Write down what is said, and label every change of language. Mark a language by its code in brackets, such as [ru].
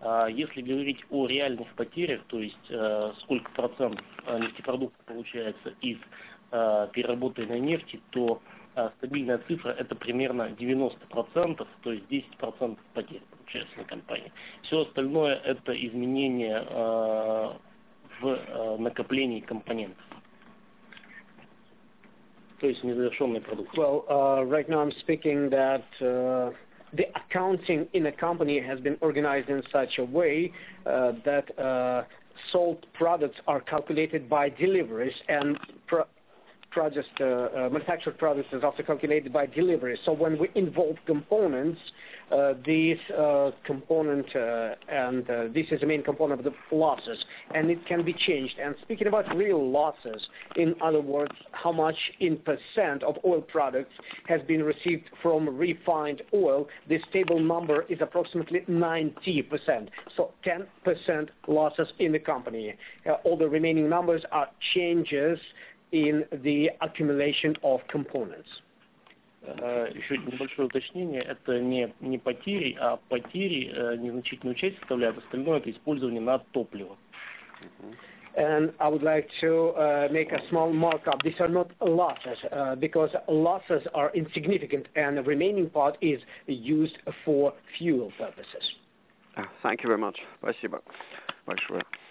[ru] Если говорить о реальных потерях, то есть сколько процентов нефтепродуктов получается из переработанной нефти, то стабильная цифра – это примерно 90%, то есть 10% потерь получается на компании. Все остальное – это изменение в накоплении компонентов. То есть незавершенный продукт. [en] Well, right now I'm speaking that... The accounting in a company has been organized in such a way that sold products are calculated by deliveries, and manufactured products is also calculated by deliveries. So when we involve components, this is the main component of the losses, and it can be changed. And speaking about real losses, in other words, how much in percent of oil products has been received from refined oil, this table number is approximately 90%, so 10% losses in the company. All the remaining numbers are changes in the accumulation of components. [ru] Еще небольшое уточнение. Это не потери, а потери незначительную часть составляют. Остальное это использование на топливо. [en] And I would like to make a small markup. These are not losses, because losses are insignificant, and the remaining part is used for fuel purposes. Thank you very much. [ru] Спасибо. Большое.